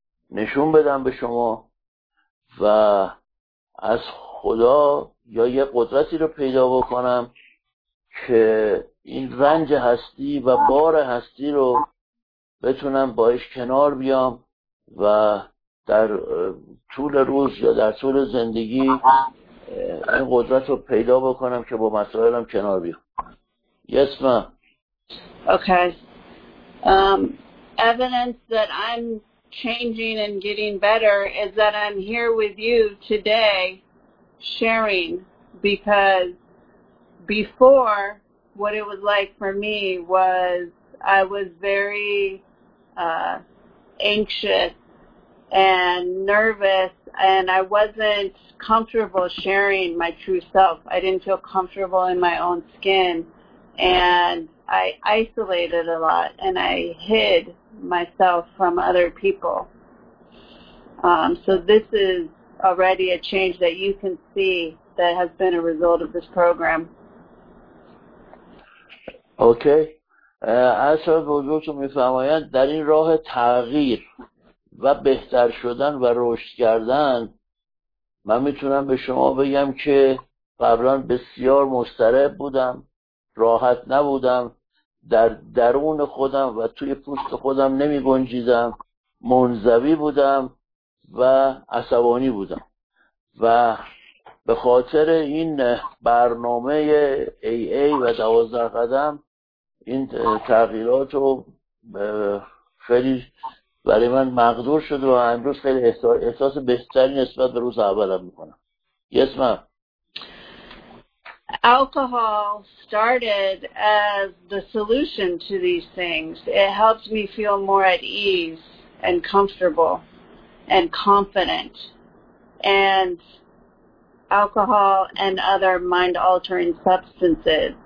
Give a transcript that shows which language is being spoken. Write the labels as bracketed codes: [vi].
[fa] نشون بدم به شما و از خدا یا یه قدرتی رو پیدا بکنم که این رنج هستی و بار هستی رو بتونم باهاش کنار بیام و در طول روز یا در طول زندگی این قدرت رو پیدا بکنم که با مسائلم کنار بیام. [en] Yes, ma'am. Okay. Evidence that I'm changing and getting better is that I'm here with you today sharing, because before what it was like for me was I was very anxious and nervous, and I wasn't comfortable sharing my true self. I didn't feel comfortable in my own skin, and I isolated a lot, and I hid myself from other people. So this is already a change that you can see that has been a result of this program. Okay. [fa] اصلا بزرگ تو می فهمید در این راه تغییر و بهتر شدن و رشد کردن من میتونم به شما بگم که قبلا بسیار مضطرب بودم، راحت نبودم، در درون خودم و توی پوست خودم نمی گنجیدم، منزوی بودم و عصبانی بودم و به خاطر این برنامه AA و 12 قدم این تغییرات رو خیلی برای من مقدور شد و امروز خیلی احساس بهتری نسبت به روز اولم میکنم. [en] Yes, ma'am. Alcohol started as the solution to these things. It helped me feel more at ease and comfortable and confident. And alcohol and other mind-altering substances.